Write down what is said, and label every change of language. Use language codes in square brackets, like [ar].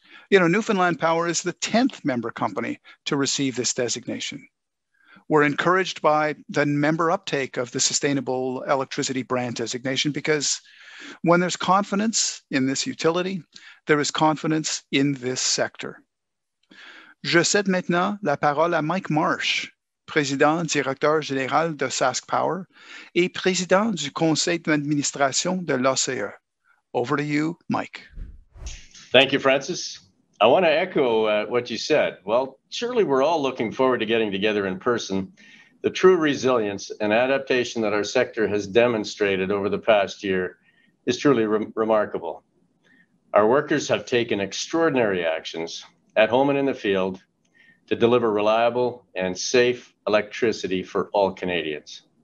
[en] You know, Newfoundland Power is the 10th member company to receive this designation. We're encouraged by the member uptake of the Sustainable Electricity Brand Designation because when there's confidence in this utility, there is confidence in this sector. [fr] Je cède maintenant la parole à Mike Marsh, président directeur général de SaskPower Power et président du conseil d'administration de l'OCE. [en] Over to you, Mike. Thank you, Francis. I want to echo what you said. Well, surely we're all looking forward to getting together in person. The true resilience and adaptation that our sector has demonstrated over the past year is truly remarkable. Our workers have taken extraordinary actions at home and in the field to deliver reliable and safe electricity for all Canadians.